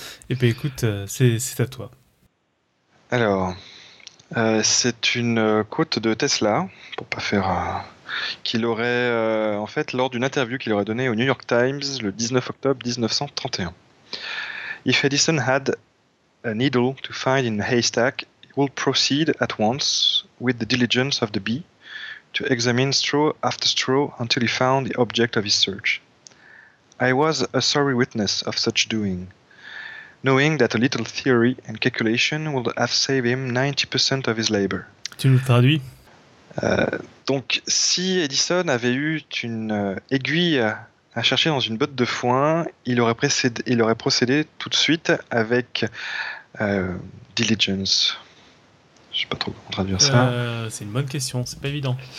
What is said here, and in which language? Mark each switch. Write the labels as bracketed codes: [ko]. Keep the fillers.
[fr] Et ben écoute, euh, c'est c'est à toi. Alors, euh, c'est une euh, côte de Tesla, pour pas faire. euh, qu'il aurait, euh, en fait, lors d'une interview qu'il aurait donnée au New York Times le 19 octobre 1931. [en] If Edison had a needle to find in a haystack, he would proceed at once with the diligence of the bee to examine straw after straw until he found the object of his search. I was a sorry witness of such doing. knowing that a little theory and calculation would have saved him 90% of his labor. [fr] Tu nous traduis Donc, si Edison avait eu une euh, aiguille à chercher dans une botte de foin, il aurait, précédé- il aurait procédé tout de suite avec euh, diligence. Je sais pas trop comment traduire ça. Euh, C'est une bonne question, c'est pas évident.